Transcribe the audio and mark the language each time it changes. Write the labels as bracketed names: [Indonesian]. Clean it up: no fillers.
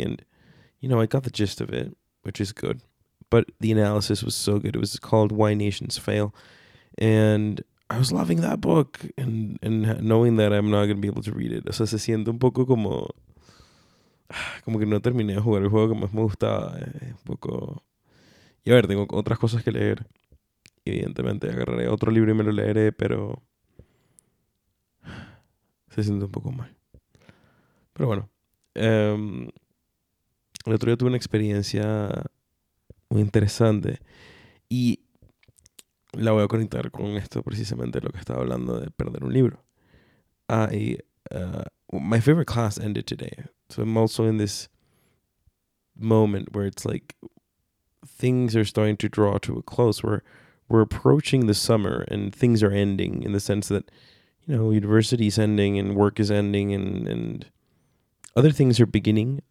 [English] And, you know, I got the gist of it, which is good, but the analysis was so good. It was called Why Nations Fail, and I was loving that book, and knowing that I'm not going to be able to read it. [Spanish] O sea, se siente un poco como que no terminé de jugar el juego que más me gusta. Un poco. Y a ver, tengo otras cosas que leer. Evidentemente, agarraré otro libro y me lo leeré, pero se siente un poco mal. Pero bueno. El otro día tuve una experiencia muy interesante. Y la voy a conectar con esto, precisamente lo que estaba hablando de perder un libro. [English] My favorite class ended today. So I'm also in this moment where it's like things are starting to draw to a close. We're approaching the summer and things are ending in the sense that, you know, university is ending and work is ending and other things are beginning.